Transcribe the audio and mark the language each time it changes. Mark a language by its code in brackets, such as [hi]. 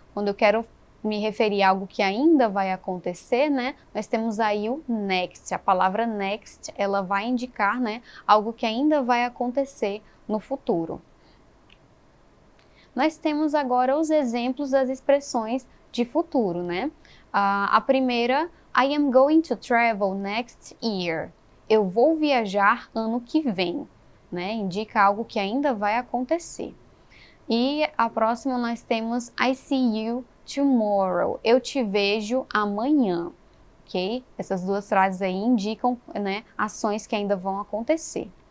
[pt] Quando eu quero me referir a algo que ainda vai acontecer, né? Nós temos aí o next. A palavra next, ela vai indicar, né, algo que ainda vai acontecer no futuro. Nós temos agora os exemplos das expressões de futuro, né? A primeira, [en] I am going to travel next year. [pt] Eu vou viajar ano que vem, né? Indica algo que ainda vai acontecer. E a próxima nós temos [en] I see you tomorrow. [pt] Eu te vejo amanhã, ok? Essas duas frases aí indicam, né, ações que ainda vão acontecer.